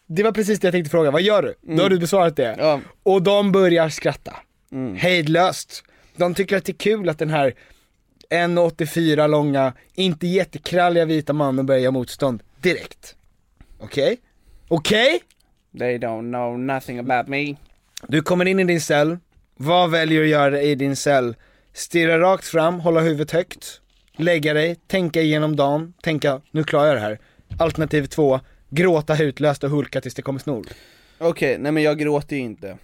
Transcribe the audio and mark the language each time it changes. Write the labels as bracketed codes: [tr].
[sv] Det var precis det jag tänkte fråga. Vad gör du? Då har du besvarat det. Ja. Och de börjar skratta. Hejdlöst. De tycker att det är kul att den här 1,84 långa, inte jättekralliga vita mannen börjar motstånd direkt. Okej? Okej? [en] They don't know nothing about me. [sv] Du kommer in i din cell. Vad väljer du att göra i din cell? Stirra rakt fram, hålla huvudet högt. lägga dig, tänka igenom dagen, tänka, nu klarar jag det här. Alternativ två, gråta hutlöst och hulka tills det kommer snor. Okej, okay, nej men jag gråter ju inte.